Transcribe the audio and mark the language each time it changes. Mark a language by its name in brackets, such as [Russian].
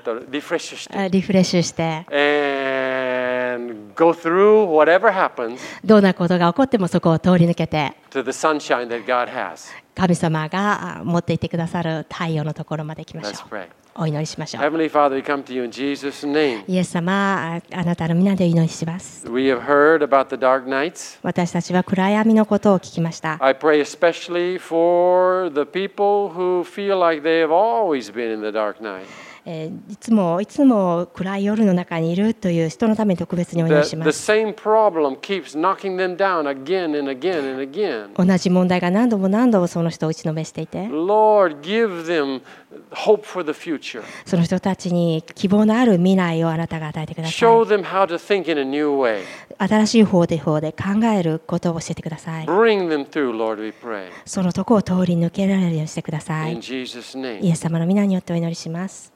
[Japanese] リフレッシュして、 [English] and go through whatever happens. [Japanese] どんなことが起こってもそこを通り抜けて、 [English] to the sunshine that God has. [Japanese] 神様が持っていてくださる太陽のところまで行きましょう。 [English] Let's pray. [Japanese] お祈りしましょう。 [English] Heavenly Father, we come to you in Jesus' name. [Japanese] イエス様、あなたの皆でお祈りします。 [English] We have heard about the dark nights. [Japanese] 私たちは暗闇のことを聞きました。 [English] I pray especially for the people who feel like they have always been in the dark night. [Japanese] いつも暗い夜の中にいるという人のために特別にお祈りします。 [English] the same problem keeps knocking them down again and again and again. [Japanese] 同じ問題が何度も何度もその人を打ちのめしていて、 [English] Lord, give them hope for the future. [Japanese] その人たちに希望のある未来をあなたが与えてください。 [English] Show them how to think in a new way. [Japanese] 新しい方で考えることを教えてください。 [English] Bring them through, Lord, we pray. [Japanese] そのとこを通り抜けられるようにしてください。 [English] In Jesus' name. [Japanese] イエス様の皆によってお祈りします。